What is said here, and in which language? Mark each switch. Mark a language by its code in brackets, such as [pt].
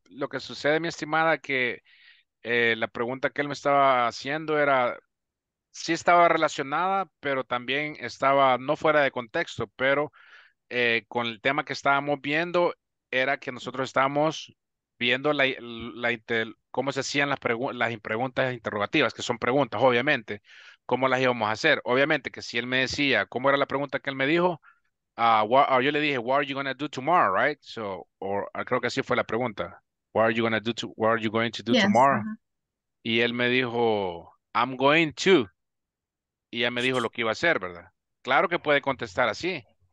[es] Lo que sucede, mi estimada, que la pregunta que él me estaba haciendo era, sí estaba relacionada, pero también estaba no fuera de contexto, pero con el tema que estábamos viendo, era que nosotros estábamos viendo cómo se hacían las preguntas interrogativas, que son preguntas, obviamente, cómo las íbamos a hacer. Obviamente que si él me decía, ¿cómo era la pregunta que él me dijo? [en] Yo le dije, what are you going to do tomorrow, right? [es] So, or creo que así fue la pregunta. [en] What are you going to do, yes, tomorrow? Uh-huh. [es] Y él me dijo... I'm going to. Y ya me dijo lo que iba a hacer, ¿verdad? Claro que puede contestar así.